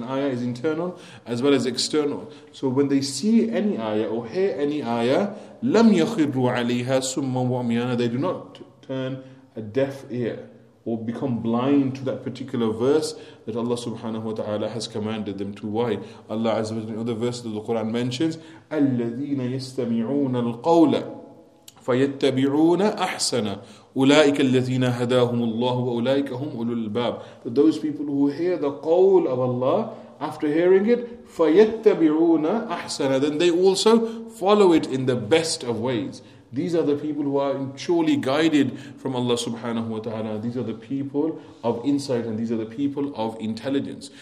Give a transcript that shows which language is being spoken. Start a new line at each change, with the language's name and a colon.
English: An ayah is internal as well as external. So when they see any ayah or hear any ayah,
Arabic: لَمْ يَخِرُّوا عَلَيْهَا سُمَّا وَعْمِيَانَا,
English: they do not turn a deaf ear or become blind to that particular verse that Allah subhanahu wa ta'ala has commanded them to. Why? Allah Azza wa Jalla, in other verses of the Quran, mentions,
Arabic: الَّذِينَ يَسْتَمِعُونَ الْقَوْلَ فَيَتَّبِعُونَ أَحْسَنَ أُولَٰئِكَ الَّذِينَ هَدَاهُمُ اللَّهُ وَأُولَٰئِكَ هُمْ أُولُو الْأَلْبَابِ.
English: That those people who hear the qawl of Allah, after hearing it,
Arabic: فَيَتَّبِعُونَ أَحْسَنَ,
English: then they also follow it in the best of ways. These are the people who are surely guided from Allah subhanahu wa ta'ala. These are the people of insight and these are the people of intelligence.